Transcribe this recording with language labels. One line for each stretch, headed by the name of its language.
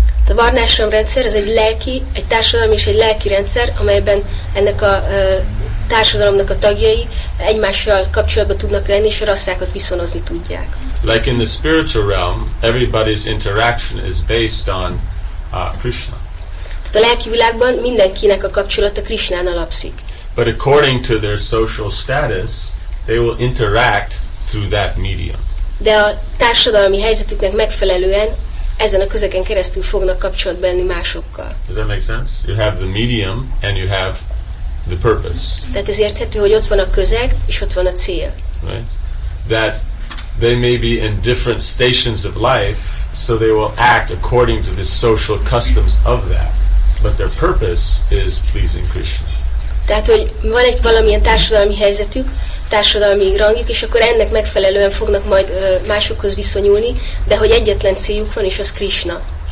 Hungarian: A varnásrom rendszer az egy lelki, egy társadalmi és egy lelki rendszer, amelyben ennek a társadalomnak a tagjai egymással kapcsolatban tudnak lenni, és a rasszákat viszonozni tudják.
English: Like in the spiritual realm, everybody's interaction is based on Krishna.
Hungarian: Tehát a lelki világban mindenkinek a kapcsolata Krishnán alapszik.
English: But according to their social status, they will interact through that medium.
Hungarian: De a társadalmi helyzetüknek megfelelően ezen a közegen keresztül fognak kapcsolatba lenni másokkal.
English: Does that make sense? You have the medium and you have the purpose.
Hungarian: Tehát ez érthető, hogy ott van a közeg és ott van a cél.
English: Right? That they may be in different stations of life, so they will act according to the social customs of that, but their purpose is pleasing Krishna.
Hungarian: Tehát hogy van egy valamilyen társadalmi helyzetük, társadalmi rangjuk, és akkor ennek megfelelően fognak majd másokhoz viszonyulni, de hogy egyetlen céljuk van, és az Krishna.